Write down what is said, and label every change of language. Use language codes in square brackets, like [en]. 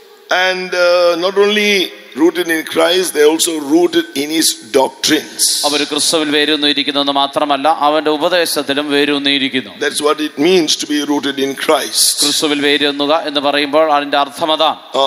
[en] Not only rooted in Christ, they also rooted in his doctrines. [ml] അവർ ക്രിസ്തുവിൽ വേരൂന്നിയിരിക്കുന്നു എന്ന് മാത്രമല്ല അവന്റെ ഉപദേശത്തിലും വേരൂന്നിയിരിക്കുന്നു. [en] That's what it means to be rooted in Christ. [ml] ക്രിസ്തുവിൽ വേരൂന്നുക എന്ന് പറയുമ്പോൾ അതിന്റെ അർത്ഥം അതാണ്.